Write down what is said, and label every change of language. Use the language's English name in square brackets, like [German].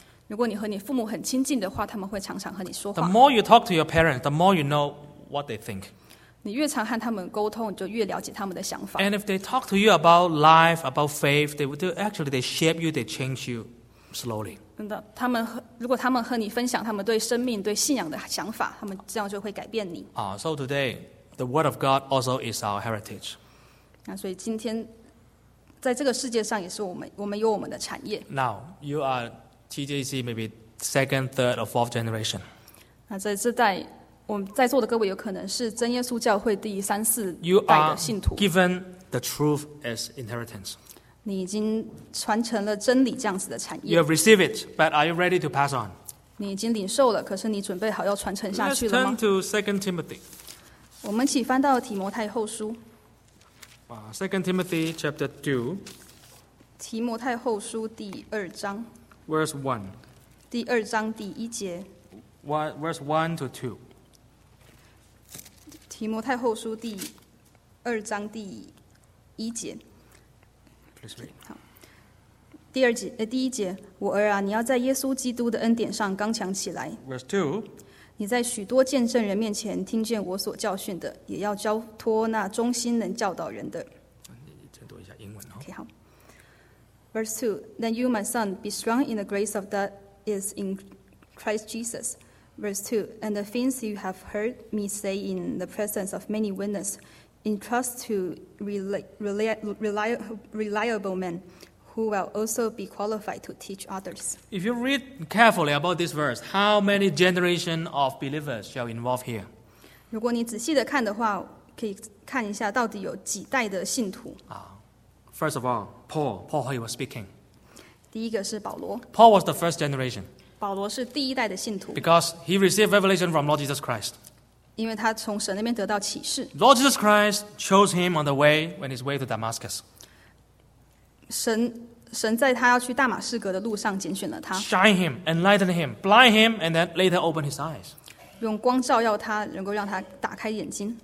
[Chinese] 如果你和你父母很亲近的话，他们会常常和你说话。 [English] The more you talk to your parents, the more you know what they think. [Chinese] 你越常和他们沟通，你就越了解他们的想法。 [English] And if they talk to you about life, about faith, they shape you, they change you slowly. [Chinese] 真的，他们如果他们和你分享他们对生命、对信仰的想法，他们这样就会改变你。 [English] So today, the word of God also is our heritage. [Chinese] 那所以今天，在这个世界上也是我们有我们的产业。 [English] Now you are. TJC maybe second, third, or fourth generation. [Chinese] 那在这代，我们在座的各位有可能是真耶稣教会第三四代的信徒。 [English] You are given the truth as inheritance. [Chinese] 你已经传承了真理这样子的产业。 [English] You have received it, but are you ready to pass on? [Chinese] 你已经领受了，可是你准备好要传承下去了吗？ [English] Let's turn to 2 Timothy. [Chinese] 我们起翻到提摩太后书。 [English] 2 Timothy chapter 2. [Chinese] 提摩太后书第二章。 [English] Verse 1. [Chinese] 第二章第一节。 [English] Verse 1 to 2. [Chinese] 提摩太后书第二章第一节。 [English] Please read. [Chinese] 好。第一节，我儿啊，你要在耶稣基督的恩典上刚强起来。 [English] Verse 2. [Chinese] 你在许多见证人面前听见我所教训的，也要交托那忠心能教导人的。再读一下英文哦。 [English] Okay, 好。 Verse 2, then you, my son, be strong in the grace of that is in Christ Jesus. Verse 2, and the things you have heard me say in the presence of many witnesses, entrust to reliable men who will also be qualified to teach others. If you read carefully about this verse, how many generations of believers shall involve here? [Chinese] 如果你仔细地看的话，可以看一下到底有几代的信徒。 [English] First of all, Paul, he was speaking. [Chinese] 第一个是保罗。 [English] Paul was the first generation. [Chinese] 保罗是第一代的信徒。 [English] Because he received revelation from Lord Jesus Christ. [Chinese] 因为他从神那边得到启示。 [English] Lord Jesus Christ chose him on the way, when his way to Damascus. [Chinese] 神在他要去大马士革的路上拣选了他。 [English] Shine him, enlighten him, blind him, and then later open his eyes. [Chinese] 用光照耀他，能够让他打开眼睛。